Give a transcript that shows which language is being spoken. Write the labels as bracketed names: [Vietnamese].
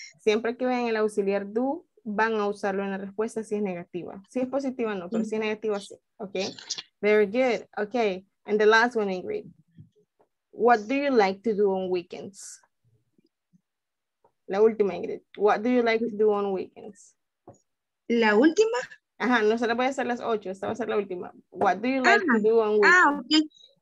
[Spanish] Siempre que vean el auxiliar do, van a usarlo en la respuesta si es negativa. Si es positiva, no, pero si es negativa, sí. [English] Okay. Very good. Okay. And the last one, Ingrid. What do you like to do on weekends? [Spanish] La última, Ingrid. [English] What do you like to do on weekends? [Spanish] La última? Ajá, no se la voy a hacer las ocho, esta va a ser la última. [English] What do you like to do on weekends?